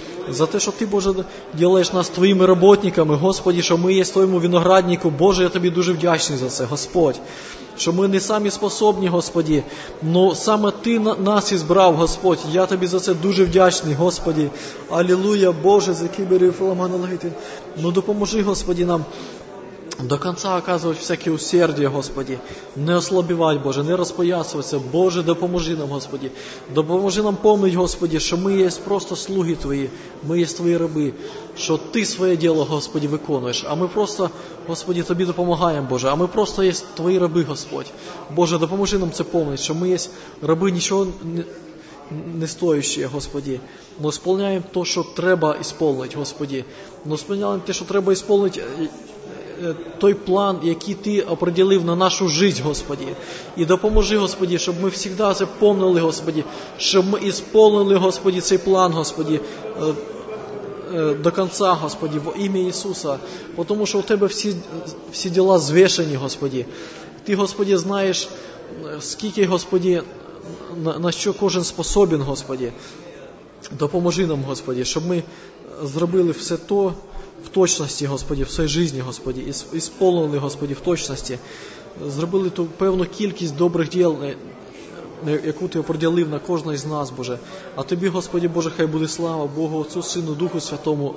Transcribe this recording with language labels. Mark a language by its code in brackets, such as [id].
[uk] За те, що Ти, Боже, ділаєш нас Твоїми роботниками, Господі, що ми є в Твоєму винограднику. Боже, я Тобі дуже вдячний за це, Господь. Що ми не самі способні, Господі, але саме Ти нас ізбрав, Господь. Я Тобі за це дуже вдячний, Господі. Алілуя, Боже, за кибері фламанолити. Ну, допоможи, Господі, нам [ru] До конца оказывать всякие усердия, Господи. Не ослабевать, Боже, не распоясываться. [uk] Боже, допоможи нам, [ru] Господи. Допоможи нам помнить, Господи, что мы есть просто слуги Твои. Мы есть Твои рабы. Что Ты свое дело, Господи, выконуешь. [uk] А мы просто, Господи, Тобі допомагаємо, Боже. А ми просто є Твої раби, Господь. Боже, допоможи нам це помнити, що ми є раби нічого не стоючі, Господі. Ми сповняємо те, що треба сповнити, Господі. Ми сповняємо те, що треба сповнити той план, який Ти оприділив на нашу життя, Господі. І допоможи, Господі, щоб ми завжди це помнили, Господі. Щоб ми сповнили, Господі, цей план, Господі. [ru] До конца, Господи, во имя Иисуса, потому что у Тебя все дела взвешены, Господи. Ты, Господи, знаешь, сколько, Господи, на что каждый способен, Господи. Допоможи нам, Господи, чтобы мы сделали все то в точности, Господи, в своей жизни, Господи, исполнили, Господи, в точности, сделали ту певную [uk] кількість добрых дел, яку Ти оприділив на кожного з нас, Боже. А Тобі, Господі Боже, хай буде слава Богу, Отцу, Сину, Духу Святому.